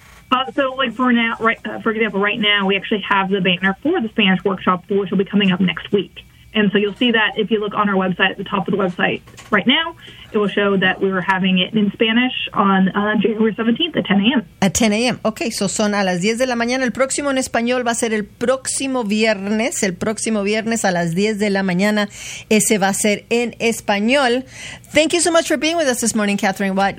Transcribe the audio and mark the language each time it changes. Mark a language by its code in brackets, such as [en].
[en] For example, right now we actually have the banner for the Spanish workshop, which will be coming up next week. And so you'll see that if you look on our website, at the top of the website right now, it will show that we're having it in Spanish on January 17th at 10 a.m. At 10 a.m. [es] Okay, so son a las 10 de la mañana. El próximo en español va a ser el próximo viernes a las 10 de la mañana. Ese va a ser en español. [en] Thank you so much for being with us this morning, Catherine Watt.